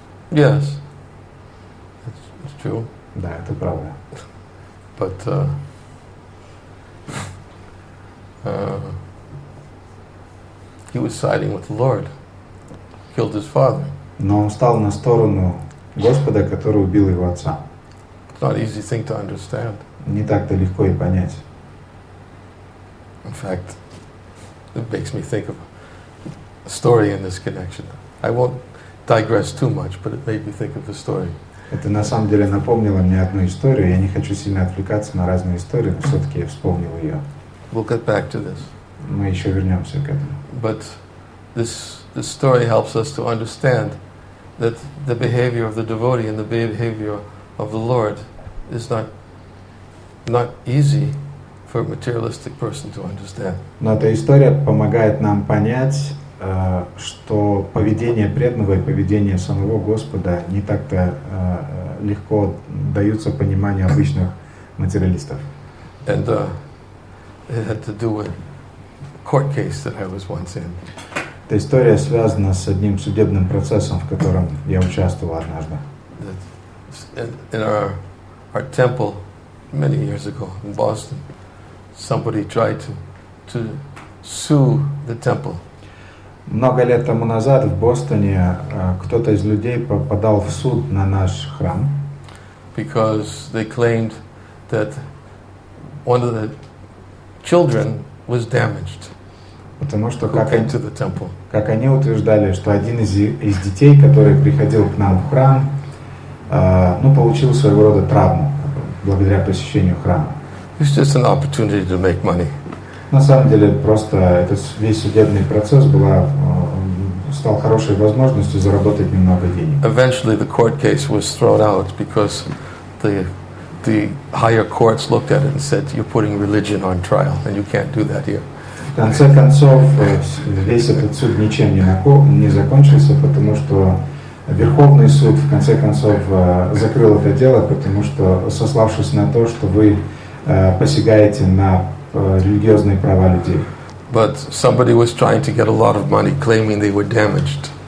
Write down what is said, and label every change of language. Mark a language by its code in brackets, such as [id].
[en] Yes, it's true. [ru] Да, это правда. [en] But he was siding with the Lord, killed his father. [ru] Но он стал на сторону Господа, который убил его отца. [en] It's not an easy thing to understand. [ru] Не так-то легко и понять. [en] In fact, it makes me think of story in this connection. I won't digress too much, but it made me think of the story. [ru] Это на самом деле напомнило мне одну историю. Я не хочу сильно отвлекаться на разные истории, но все-таки я вспомнил ее. [en] We'll get back to this. [ru] Мы еще вернемся к этому. [en] But this story helps us to understand that the behavior of the devotee and the behavior of the Lord is not easy for a materialistic person to understand. [ru] Но эта история помогает нам понять, что поведение преданного и поведение самого Господа не так-то легко даются пониманию обычных материалистов. [en] And it had to do with court case that I was once in. [ru] Эта история связана с одним судебным процессом, в котором я участвовал однажды. [en] In our temple many years ago in Boston, somebody tried to sue the temple. [ru] Много лет тому назад в Бостоне кто-то из людей попадал в суд на наш храм. [en] Because they claimed that one of the children was damaged. [ru] Потому что как они утверждали, что один из детей, который приходил к нам в храм, получил своего рода травму благодаря посещению храма. [en] It's just an opportunity to make money. [ru] На самом деле, просто этот весь судебный процесс стал хорошей возможностью заработать немного денег. [en] Eventually the court case was thrown out because the higher courts looked at it and said, you're putting religion on trial and you can't do that here. [ru] В конце концов, весь этот суд ничем не закончился, потому что Верховный суд, в конце концов, закрыл это дело, потому что, сославшись на то, что вы посягаете на религиозные права людей. [en] But somebody was trying to get a lot of money, claiming they were damaged.